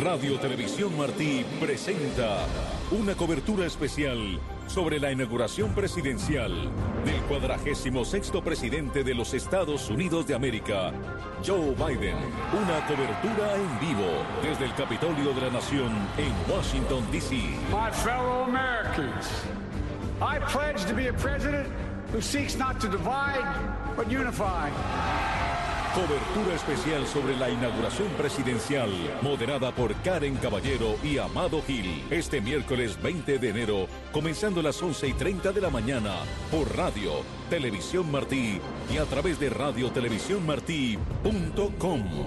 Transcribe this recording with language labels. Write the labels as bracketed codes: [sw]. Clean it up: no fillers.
[es] Radio Televisión Martí presenta una cobertura especial sobre la inauguración presidencial del 46º presidente de los Estados Unidos de América, Joe Biden. Una cobertura en vivo desde el Capitolio de la Nación en Washington, D.C. [en] My fellow Americans, I pledge to be a president who seeks not to divide, but unify. [es] Cobertura especial sobre la inauguración presidencial, moderada por Karen Caballero y Amado Gil. Este miércoles 20 de enero, comenzando a las 11:30 de la mañana, por Radio Televisión Martí y a través de radiotelevisiónmartí.com.